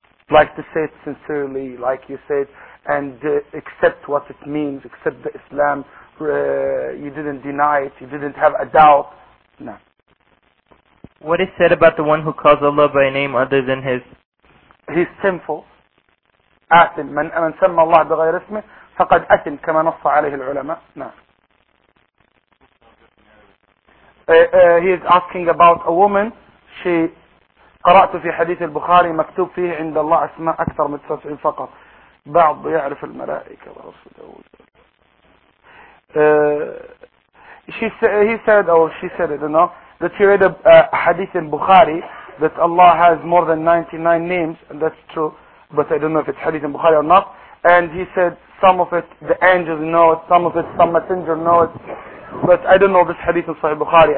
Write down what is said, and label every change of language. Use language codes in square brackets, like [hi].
[en] Like to say it sincerely, like you said, and accept what it means, accept the Islam, you didn't deny it, you didn't have a doubt. No. What is said about the one who calls Allah by a name other than His? He's sinful. [ar] آثم من سمى الله بغير اسمه فقد أثم كما نص عليه العلماء. [en] He is asking about a woman. [ar] She قرأت في حديث البخاري مكتوب فيه عند الله أسماء أكثر من 99 فقط. بعض يعرف الملائكة ورسول داود. [en] He said that she read a hadith in Bukhari that Allah has more than 99 names, and that's true, but I don't know if it's hadith in Bukhari or not. And he said some of it the angels know it, some of it some messenger know it, but I don't know this hadith in Sahih Bukhari.